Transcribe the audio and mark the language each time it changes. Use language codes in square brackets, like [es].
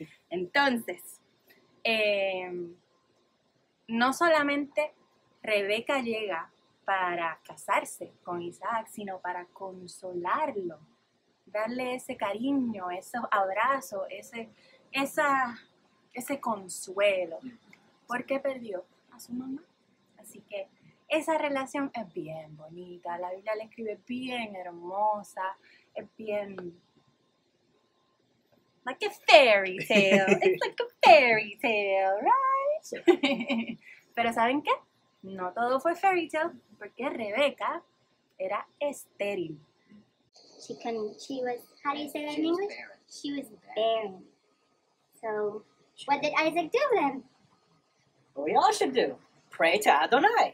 [es] Entonces, no solamente Rebeca llega para casarse con Isaac, sino para consolarlo, darle ese cariño, esos abrazos, ese consuelo, porque perdió a su mamá. Así que esa relación es bien bonita, la Biblia la escribe bien hermosa, es bien... [en] like a fairy tale, it's like a fairy tale, right? [es] Pero ¿saben qué? No todo fue fairy tale, porque Rebeca era estéril. [en] She couldn't, she was, how do you say that in English? Barren. She was barren. So, what did Isaac do then? What we all should do, pray to Adonai.